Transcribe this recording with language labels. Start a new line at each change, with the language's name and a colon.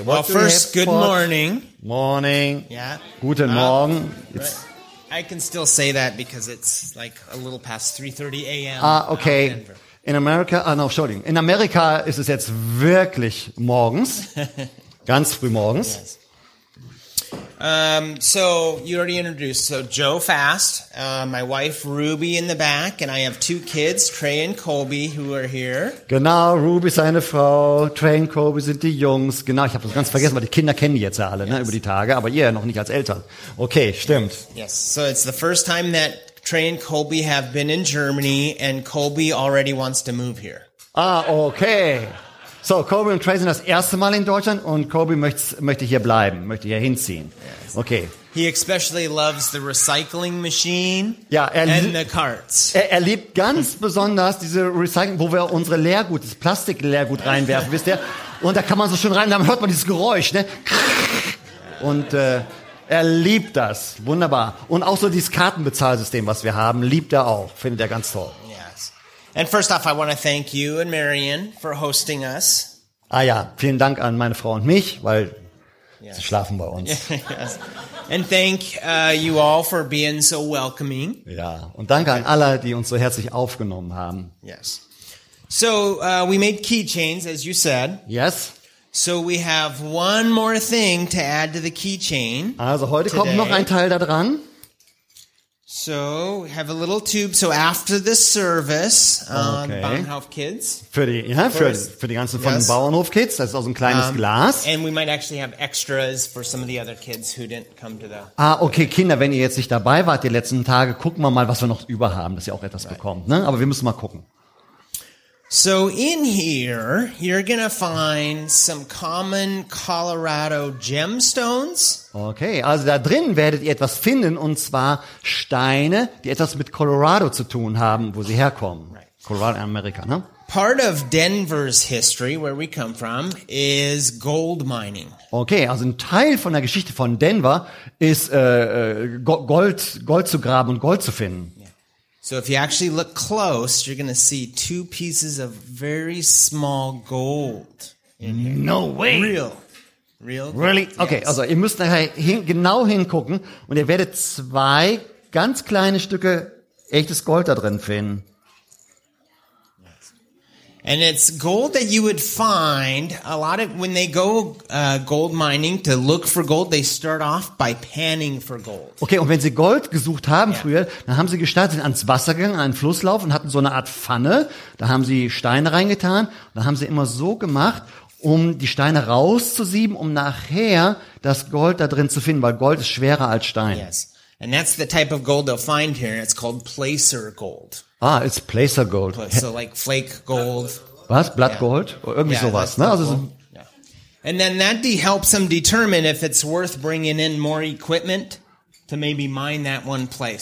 English: What well, first, good morning. Morning. Yeah.
German: Guten Morgen.
English: It's, I can still say that because it's like a little past 3:30 a.m. Okay. In America,
German: Entschuldigung. In Amerika ist es jetzt wirklich morgens, ganz früh morgens.
English: Yes. So you already introduced. So Joe Fast, my wife Ruby in the back, and I have two kids, Trey and Colby, who are here.
German: Genau, Ruby seine Frau, Trey und Colby sind die Jungs. Genau, ich habe das ganz vergessen, weil die Kinder kennen die jetzt ja alle, ne, über die Tage, aber ihr noch nicht als Eltern. Okay, stimmt.
English: Yes. So it's the first time that Trey and Colby have been in Germany, and Colby already wants to move here. Ah, okay.
German: So, Colby und Trey sind das erste Mal in Deutschland und Colby möchte hier bleiben, möchte hier hinziehen.
English: Okay. He especially loves the recycling machine
German: ja,
English: and the carts.
German: Er liebt ganz besonders diese Recycling, wo wir unsere Leergut, das Plastik-Leergut reinwerfen, wisst ihr? Und da kann man so schön rein, da hört man dieses Geräusch, ne? Und er liebt das, wunderbar. Und auch so dieses Kartenbezahlsystem, was wir haben, liebt er auch, findet er ganz toll.
English: And first off, I want to thank you and Marion for hosting us.
German: Ah ja, vielen Dank an meine Frau und mich, weil yes. sie schlafen bei uns.
English: Yes. And thank you all for being so welcoming.
German: Ja, und danke an alle, die uns so herzlich aufgenommen haben.
English: Yes. So we made keychains, as you said. Yes. So we have one more thing to add to the keychain.
German: Also heute today. Kommt noch ein Teil da dran.
English: So, we have a little tube. So after this service, okay.
German: Bauernhof Kids. Für die, ja, für die ganzen von yes. Bauernhof Kids. Das ist auch so ein kleines Glas.
English: And we might actually have extras for some of the other kids who didn't come to the.
German: Okay, Kinder, wenn ihr jetzt nicht dabei wart die letzten Tage, gucken wir mal, was wir noch über haben, dass ihr auch etwas right. bekommt, ne? Aber wir müssen mal gucken.
English: So in here, you're gonna find some common Colorado gemstones.
German: Okay, also da drin werdet ihr etwas finden, und zwar Steine, die etwas mit Colorado zu tun haben, wo sie herkommen.
English: Right.
German: Colorado, Amerika, ne?
English: Part of Denver's history, where we come from, is gold mining.
German: Okay, also ein Teil von der Geschichte von Denver ist Gold zu graben und Gold zu finden.
English: So if you actually look close, you're going to see two pieces of very small gold in here. No way. Real gold. Really? Okay, yes.
German: Also ihr müsst nachher genau hingucken und ihr werdet zwei ganz kleine Stücke echtes Gold da drin finden.
English: And it's gold that you would find a lot of when they go gold mining to look for gold, they start off by panning for gold.
German: Okay, und wenn sie Gold gesucht haben yeah. früher, dann haben sie gestartet, sind ans Wasser gegangen, an einen Flusslauf und hatten so eine Art Pfanne. Da haben sie Steine reingetan. Da haben sie immer so gemacht, um die Steine rauszusieben, um nachher das Gold da drin zu finden, weil Gold ist schwerer als Stein.
English: Yes, and that's the type of gold they'll find here. It's called placer gold. Ah, it's placer gold. So like flake gold. Was? Blood gold? Yeah. Irgendwie yeah,
German: sowas, ne?
English: Also so and then that helps them determine if it's worth bringing in more equipment to maybe mine that one place.